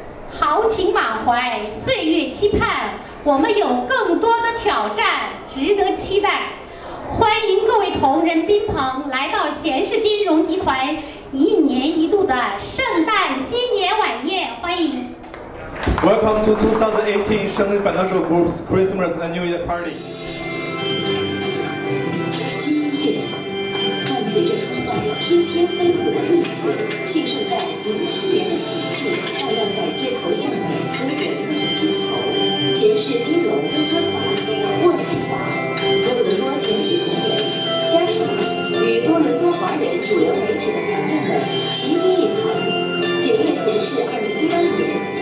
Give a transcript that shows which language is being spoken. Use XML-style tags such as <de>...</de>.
<zh>豪情满怀岁月期盼，我们有更多的挑战值得期待，欢迎各位同仁宾朋来到贤士金融集团一年一度的圣诞新年晚宴，欢迎。</zh> <en>Welcome to 2018 Shanghai Financial Group's Christmas and New Year Party.</en> <zh>今夜，伴随着充满着翩翩飞舞的热血，庆圣诞迎新年的喜气荡漾在街头巷尾和人们的心头。贤士金融温哥华、渥太华、多伦多全体同仁、家属与多伦多华人主流媒体的朋友们齐聚一堂，检阅贤士2018年。</zh>